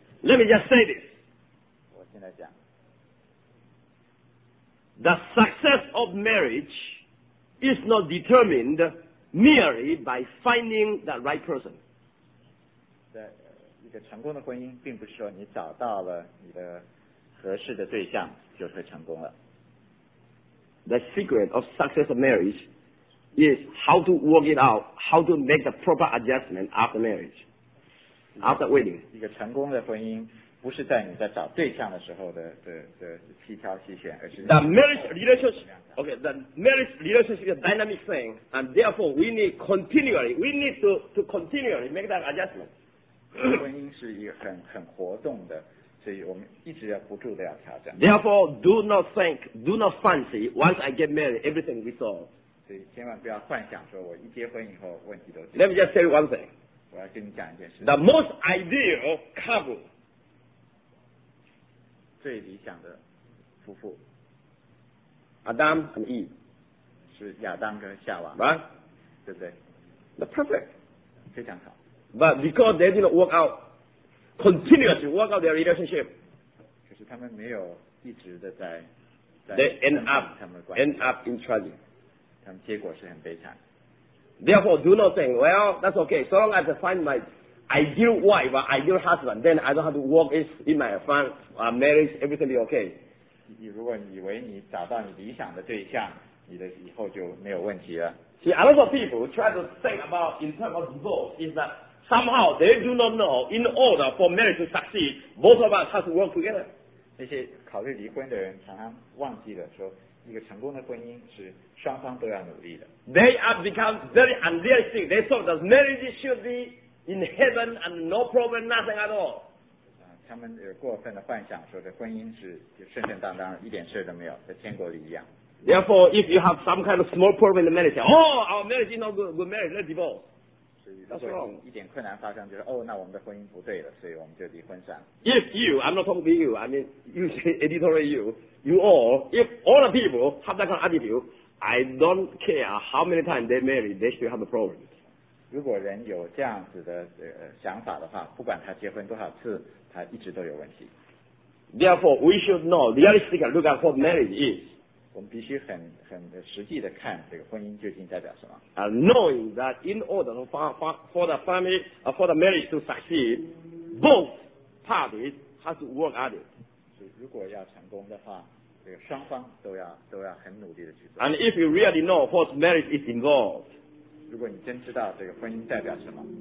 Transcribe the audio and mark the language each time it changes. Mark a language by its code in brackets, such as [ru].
[en] Let me just say this. [zh] 我现在讲。 [en] The success of marriage is not determined merely by finding the right person. [zh] 一个成功的婚姻并不是说你找到了你的合适的对象就会成功了。 [en] The secret of success of marriage is how to work it out, how to make the proper adjustment after marriage, after wedding. [zh] 一个成功的婚姻不是在你在找对象的时候的细挑细选，而是 [en] the marriage relationship is a dynamic thing, and therefore we need to continually make that adjustment. [zh] 婚姻是一个很活动的。所以我们一直要不住的要挑战。 [en] Therefore, do not fancy once I get married, everything resolved. [zh] 所以千万不要幻想说我一结婚以后问题都。 [en] Let me just tell you one thing. [zh] 我要跟你讲一件事。 [en] The most ideal couple. [zh] 最理想的夫妇。 [en] Adam and Eve. [zh] 是亚当跟夏娃。 [en] Right? [zh] 对不对 [en] ？The perfect. [zh] 非常好。 [en] But because they didn't work out. Continuously work out their relationship. [zh] 可是他们没有一直的在 [en] They end up in tragedy. [zh] 他们结果是很悲惨。 [en] Therefore, do not think, well, that's okay. So long as I find my ideal wife or ideal husband, then I don't have to work in my marriage, everything will be okay. [zh] 你如果以为你找到你理想的对象，你的以后就没有问题了。 [en] See, a lot of people try to think about in terms of divorce is that. Somehow they do not know. In order for marriage to succeed, both of us have to work together. [zh] 那些考虑离婚的人常常忘记了说，一个成功的婚姻是双方都要努力的。 [en] They have become very unrealistic. They thought that marriage should be in heaven and no problem, nothing at all. [zh] 他们有过分的幻想，说这婚姻是顺顺当当，一点事都没有，在天国里一样。 [en] Therefore, if you have some kind of small problem in the marriage, our marriage is not good marriage. Let's divorce. That's wrong. [zh] 一点困难发生，就是那我们的婚姻不对了，所以我们就离婚算了。 [en] If you, I'm not talking to you, I mean, you say editorial you, you all, if all the people have that kind of attitude, I don't care how many times they marry, they still have a problem. [zh] 如果人有这样子的想法的话，不管他结婚多少次，他一直都有问题。 [en] Therefore, we should know realistically look at what marriage is. [zh] 我们必须很实际的看这个婚姻究竟代表什么。 [en] Knowing that in order for the family, for the marriage to succeed, both parties have to work at it. [zh] 所以如果要成功的话，这个双方都要很努力的去做。 [en] And if you really know what marriage is involved, [zh] 如果你真知道这个婚姻代表什么，